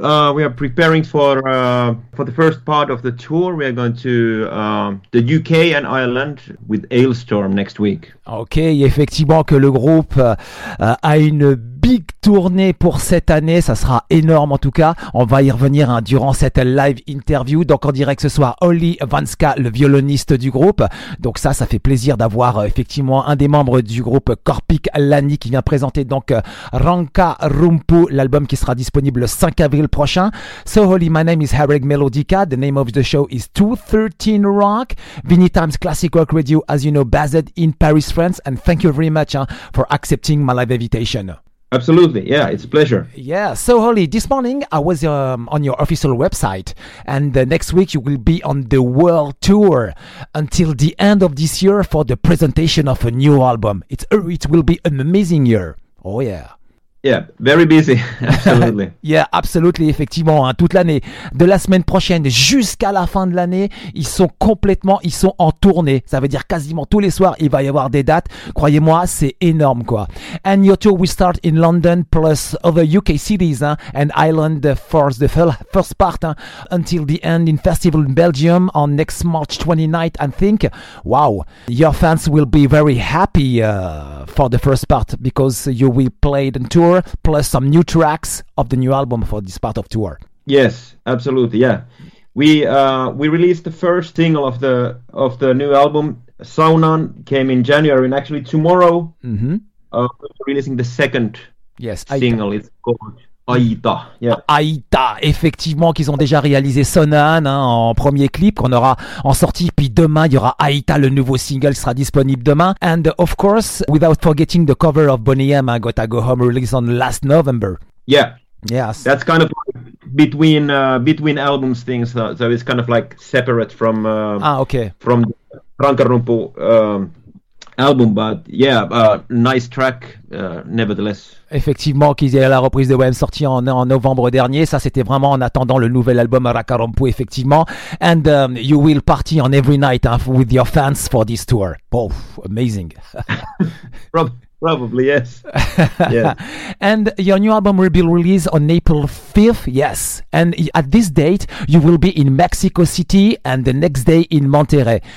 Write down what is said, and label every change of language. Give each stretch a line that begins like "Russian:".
English: We are preparing for the first part of the tour. We are going to the UK and Ireland with Ailstorm next week.
French: Ok, effectivement que le groupe a une big tournée pour cette année, ça sera énorme en tout cas. On va y revenir hein, durant cette live interview. Donc en direct ce soir, Olli Vanska, le violoniste du groupe. Donc ça, ça fait plaisir d'avoir effectivement un des membres du groupe Karpik Lani qui vient présenter donc Ranka Rumpu, l'album qui sera disponible le 5 avril prochain.
English: So Olli, my name is Eric Melodica. The name of the show is 213 Rock. Vinny Times Classic Rock Radio, as you know, based in Paris, France. And thank you very much hein, for accepting my live invitation. Absolutely, yeah, it's a pleasure. Yeah, so Holly, this morning I was on your official website, and next week you will be on the world tour until the end of this year for the presentation of a new album. It will be an amazing year. Oh yeah. Yeah, very busy, absolutely. Yeah, absolutely,
French: effectivement, hein, toute l'année. De la semaine prochaine jusqu'à la fin de l'année, ils sont en tournée. Ça veut dire quasiment tous les soirs, il va y avoir des dates. Croyez-moi, c'est énorme, quoi.
English: And your tour will start in London plus other UK cities hein, and Ireland for the first part hein, until the end in festival in Belgium on next March 29th, I think. Wow, your fans will be very happy for the first part because you will play the tour plus some new tracks of the new album for this part of tour. Yes, absolutely. Yeah, we released the first single of the new album. Saunan came in January, and actually tomorrow we're releasing the second single. It's called Aïta. Yeah.
French: Aïta, effectivement, qu'ils ont déjà réalisé Sonan hein, en premier clip qu'on aura en sortie. Puis demain, il y aura Aïta, le nouveau single qui sera disponible demain.
English: And of course, without forgetting the cover of Boney M, hein, Gotta Go Home, released on last November. Yeah. Yes. That's kind of like between albums things, so it's kind of like separate from from Rankarumpu album, but yeah, nice track nevertheless.
French: Effectivement, qu'il y ait la reprise de WM sortie en novembre dernier, ça c'était vraiment en attendant le nouvel album Rankarumpu, effectivement.
English: And you will party on every night with your fans for this tour. Oh, amazing. Probably, yes. Yeah. And your new album will be released on April 5th, yes. And at this date, you will be in Mexico City and the next day in Monterrey.